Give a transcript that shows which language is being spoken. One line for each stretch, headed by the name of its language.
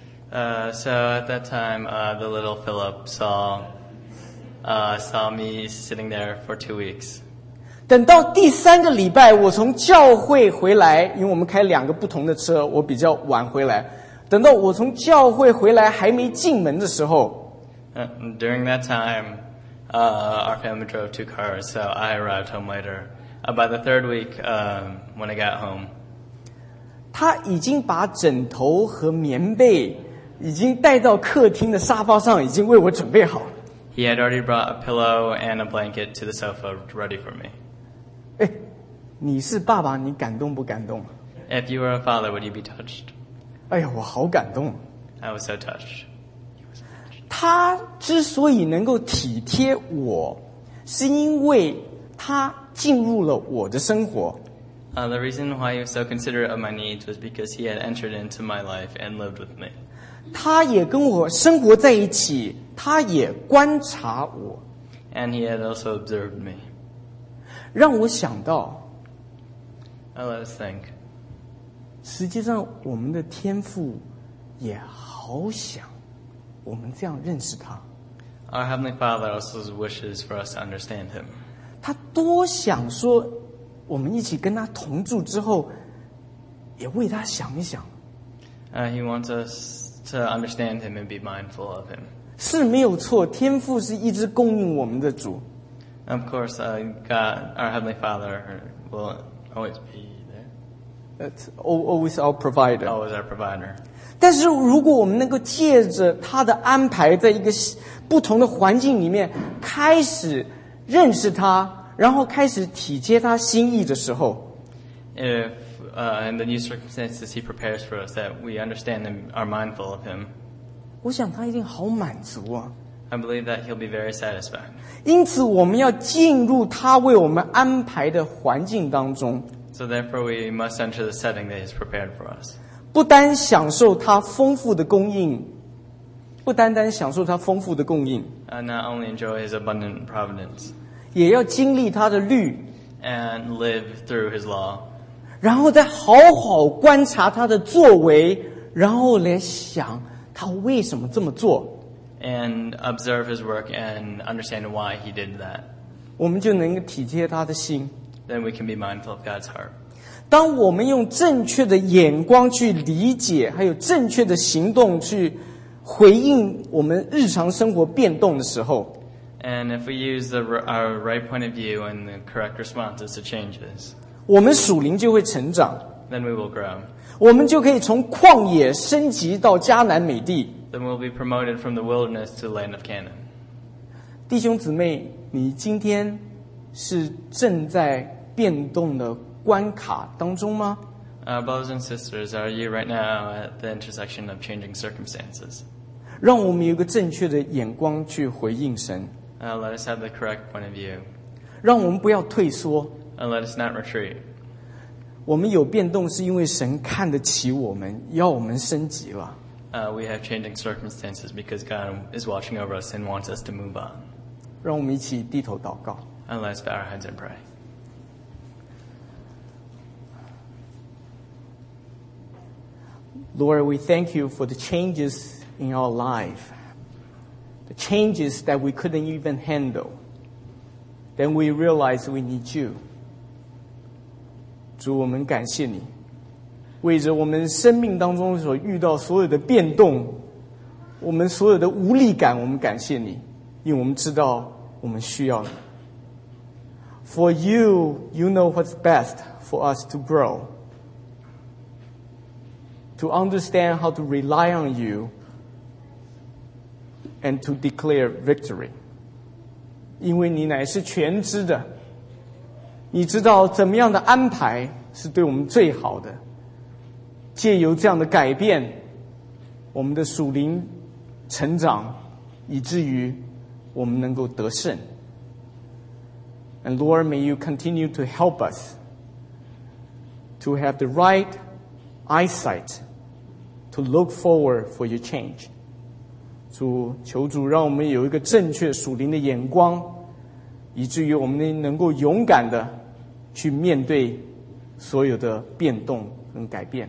English: So at that time, the little Philip saw saw me sitting there for 2 weeks.
Chinese: 等到第三个礼拜，我从教会回来，因为我们开两个不同的车，我比较晚回来。等到我从教会回来还没进门的时候
English: during that time, our family drove two cars, so I arrived home later. By the third week, when I got home,
Chinese: 他已经把枕头和棉被已经带到客厅的沙发上，已经为我准备好。
English: He had already brought a pillow and a blanket to the sofa, ready for me.
Chinese: 哎，你是爸爸，你感动不感动
English: ？If you were a father, would you be touched?
Chinese: 哎呀，我好感动。
English: I was so touched.
Chinese: 他之所以能够体贴我，是因为他进入了我的生活。
English: The reason why he was so considerate of my needs was because he had entered into my life and lived with me.
Chinese: 他也跟我生活在一起，他也观察我。
English: And he had also observed me.
Chinese: 让我想到。
English: I let us think.
Chinese: 实际上，我们的天父也好想我们这样认识他。
English: Our Heavenly Father also wishes for us to understand him.
Chinese: 他多想说我们一起跟他同住之后也为他想一想。
English: He wants us to understand him and be mindful of him.
Chinese: 是没有错，天父是一直供应我们的主。
English: Of course, our Heavenly Father will always be there. It's always our provider. Always our provider.
Chinese: 但是如果我们能够借着他的安排在一个不同的环境里面开始认识他，然后开始体贴他心意的时候
English: ，If in the new circumstances he prepares for us, that we understand and are mindful of him,
Chinese: 我想他一定好满足啊。
English: I believe that he'll be very satisfied.
Chinese: 因此，我们要进入他为我们安排的环境当中。
English: So therefore, we must enter the setting that he's prepared for us.
Chinese: 不单享受他丰富的供应，不单单享受他丰富的供应。
English: Not only enjoy his abundant providence.
Chinese: 也要经历他的律
English: and live through his law,
Chinese: 然后再好好观察他的作为，然后来想他为什么这么做
English: and observe his work and understand why he did that.
Chinese: 我们就能体贴他的心
English: then we can be mindful of God's heart.
Chinese: 当我们用正确的眼光去理解，还有正确的行动去回应我们日常生活变动的时候，
English: And if we use our right point of view and the correct responses to changes,
Chinese: 我们属灵就会成长。
English: Then we will grow.
Chinese: 我们就可以从旷野升级到迦南美地。
English: Then we'll be promoted from the wilderness to the land of Canaan.
Chinese: 弟兄姊妹，你今天是正在变动的关卡当中吗？
English: Brothers and sisters, are you right now at the intersection of changing circumstances?
Chinese: 让我们有个正确的眼光去回应神。
English: Let us have the correct point of view.
Chinese: 让我们不要退缩。
English: Let us not retreat.
Chinese: 我们有变动是因为神看得起我们，要我们升级了。
English: We have changing circumstances because God is watching over us and wants us to move on.
Chinese: 让我们一起低头祷告。
English: Let us bow our heads and pray. Lord, we thank you for the changes in our life, the changes that we couldn't even handle. Then we realize we need you.
Chinese: 主，我们感谢你，为着我们生命当中所遇到所有的变动，我们所有的无力感，我们感谢你，因为我们知道我们需要你。
English: For you, you know what's best for us to grow. To understand how to rely on you and to declare victory.
Chinese: 因为你乃是全知的，你知道怎么样的安排是对我们最好的。借由这样的改变，我们的属灵成长，以至于我们能够得胜。
English: And Lord, may you continue to help us to have the right eyesight. To look forward for your change.
Chinese: 主，求主让我们有一个正确属灵的眼光，以至于我们能够勇敢的去面对所有的变动跟改变。